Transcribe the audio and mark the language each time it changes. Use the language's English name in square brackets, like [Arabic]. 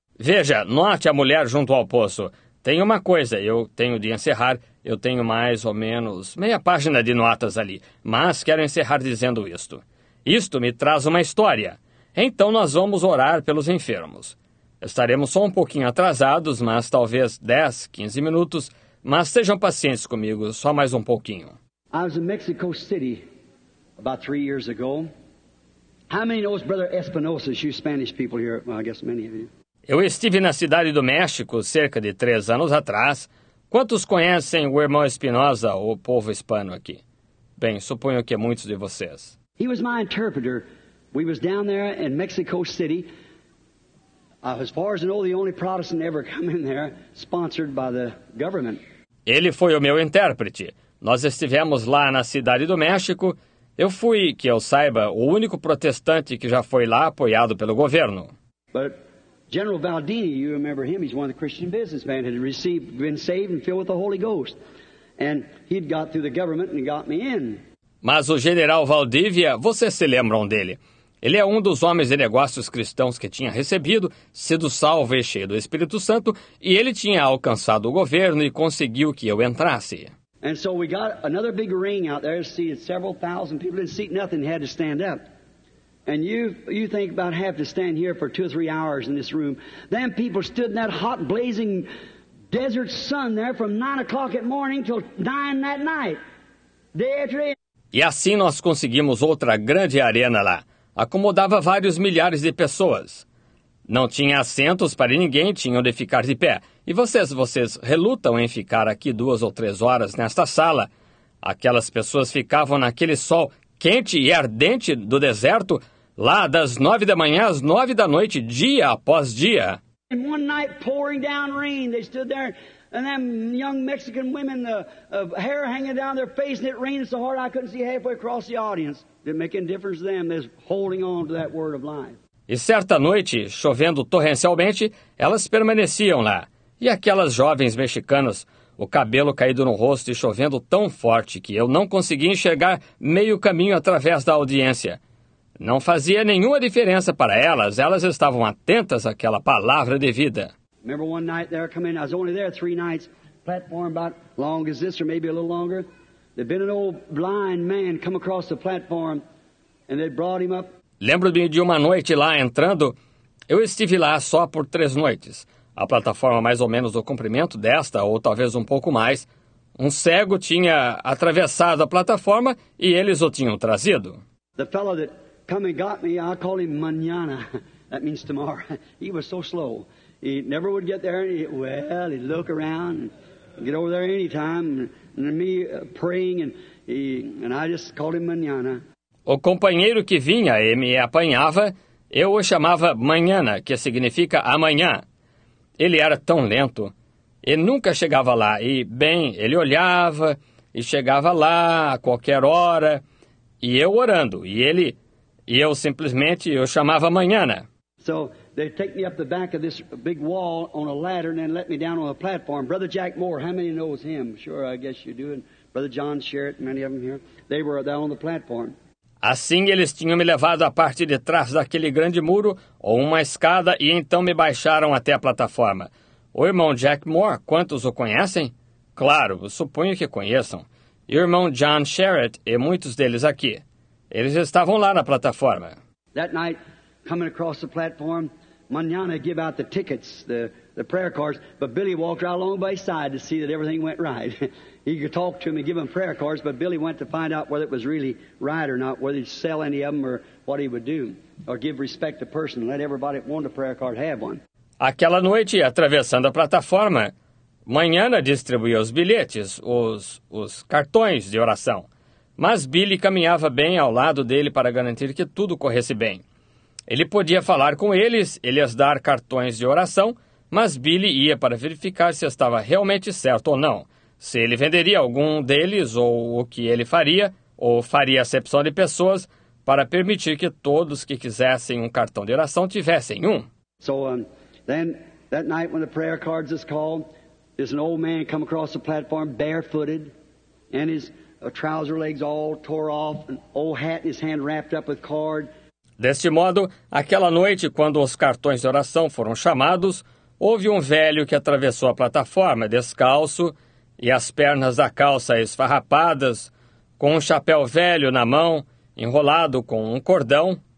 [Portuguese] Veja, note a mulher junto ao poço. Tem uma coisa, eu tenho de encerrar. Eu tenho mais ou menos meia página de notas ali, mas quero encerrar dizendo isto. Isto me traz uma história. Então nós vamos orar pelos enfermos. Estaremos só um pouquinho atrasados, mas talvez 10, 15 minutos. Mas sejam pacientes comigo, só mais um pouquinho. [English] I was in Mexico City about 3 years ago. How many knows Brother Espinosa, you Spanish people here? Well, I guess many of you. [Portuguese] Eu estive na cidade do México cerca de 3 anos atrás. Quantos conhecem o irmão Espinosa, o povo hispano aqui? Bem, suponho que muitos de vocês. [English] He was my interpreter. We was down there in Mexico City. As far as I know, the only Protestant ever come in there, sponsored by the government. [Portuguese] Ele foi o meu intérprete. Nós estivemos lá na cidade do México. Eu fui, que eu saiba, o único protestante que já foi lá apoiado pelo governo. [English] But General Valdini, you remember him, he's one of the Christian businessmen, had been saved and filled with the Holy Ghost. And he'd got through the government and got me in. [Portuguese] Mas o general Valdivia, vocês se lembram dele? Ele é um dos homens de negócios cristãos que tinha recebido, sido salvo e cheio do Espírito Santo, e ele tinha alcançado o governo e conseguiu que eu entrasse. [English] And so we got another big ring out there, seated several thousand people, didn't seat nothing, had to stand up. And you think about have to stand here for two or three hours in this room. Then people stood in that hot, blazing desert sun there from 9 o'clock at morning till 9 that night. Day after day. [Portuguese] E assim nós conseguimos outra grande arena lá. Acomodava vários milhares de pessoas. Não tinha assentos para ninguém, tinham de ficar de pé. E vocês relutam em ficar aqui 2 ou 3 horas nesta sala. Aquelas pessoas ficavam naquele sol quente e ardente do deserto, lá das 9 da manhã às 9 da noite, dia após dia. E uma noite, [English] pouring down rain, they stood there. And them young Mexican women, the hair hanging down their face, and it rained so hard I couldn't see halfway across the audience. Didn't make any difference to them. They're holding on to that word of life. [Portuguese] E certa noite, chovendo torrencialmente, elas permaneciam lá. E aquelas jovens mexicanas, o cabelo caído no rosto e chovendo tão forte que eu não conseguia enxergar meio caminho através da audiência. Não fazia nenhuma diferença para elas. Elas estavam atentas àquela palavra de vida. [English] Remember one night there coming, I was only there 3 nights, platform about long as this or maybe a little longer. There'd been an old blind man come across the platform and they brought him up. [Portuguese] Lembro-me de uma noite lá entrando, eu estive lá só por 3 noites. A plataforma mais ou menos do comprimento desta, ou talvez um pouco mais, um cego tinha atravessado a plataforma e eles o tinham trazido. [English] The fellow that come and got me, I call him Manana, that means tomorrow. He was so slow. He never would get there, and he'd look around and get over there any time, and me praying, and I just called him Manana. [Portuguese] O companheiro que vinha e me apanhava, eu o chamava Manana, que significa amanhã. Ele era tão lento, ele nunca chegava lá, e bem, ele olhava e chegava lá a qualquer hora, e eu orando, e eu simplesmente o chamava Manana. [English] So, they take me up the back of this big wall on a ladder and then let me down on a platform. Brother Jack Moore, how many knows him? Sure, I guess you do. And Brother John Sherritt, many of them here. They were down on the platform. [Portuguese] Assim, eles tinham me levado à parte de trás daquele grande muro ou uma escada e então me baixaram até a plataforma. O irmão Jack Moore, quantos o conhecem? Claro, suponho que conheçam. E o irmão John Sherritt e muitos deles aqui. Eles estavam lá na plataforma. [English] That night, coming across the platform, Manana give out the tickets, the prayer cards, but Billy walked right along by his side to see that everything went right. He could talk to him and give him prayer cards, but Billy went to find out whether it was really right or not, whether he'd sell any of them or what he would do, or give respect to person, let everybody that wanted a prayer card have one. [Portuguese] Aquela noite, atravessando a plataforma, Manana distribuía os bilhetes, os cartões de oração, mas Billy caminhava bem ao lado dele para garantir que tudo corresse bem. Ele podia falar com eles, eles dar cartões de oração, mas Billy ia para verificar se estava realmente certo ou não, se ele venderia algum deles ou o que ele faria, ou faria acepção de pessoas, para permitir que todos que quisessem um cartão de oração tivessem um. [English] So, then, that night when the prayer cards is called, there's an old man come across the platform barefooted, and his trouser legs all tore off, an old hat in his hand wrapped up with cord. [Portuguese] Deste modo, aquela noite, quando os cartões de oração foram chamados, houve um velho que atravessou a plataforma descalço e as pernas da calça esfarrapadas, com um chapéu velho na mão, enrolado com um cordão.